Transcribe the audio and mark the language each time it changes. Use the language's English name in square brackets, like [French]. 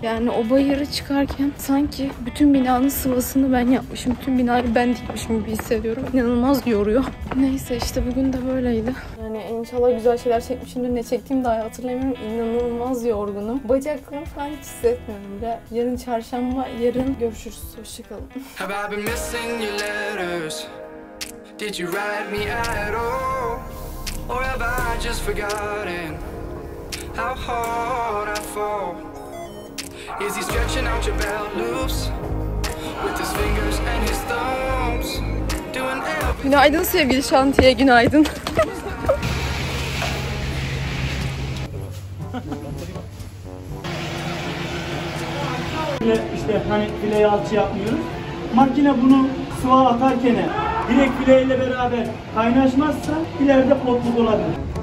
[Turkish] Yani o bayırı çıkarken sanki bütün binanın sıvasını ben yapmışım. Tüm binayı ben dikmişim gibi hissediyorum. İnanılmaz yoruyor. Neyse işte bugün de böyleydi. Yani inşallah güzel şeyler çekmişim. Ne çektiğim daha hatırlamıyorum. İnanılmaz yorgunum. Bacaklarımı falan hiç hissetmiyorum bile. Yarın çarşamba, yarın görüşürüz. Hoşçakalın. [English] Have I been missing your letters? Did you write me at all? Or have I just forgotten how hard I fall? Is he stretching out your belt loose with his fingers and his thumbs? Doing everything. [Turkish] Günaydın sevgili şantiye, günaydın. İşte hani fileyi alçı yapmıyoruz. Makine bunu suya atarken direkt fileyle beraber kaynaşmazsa ileride potluk olabilir.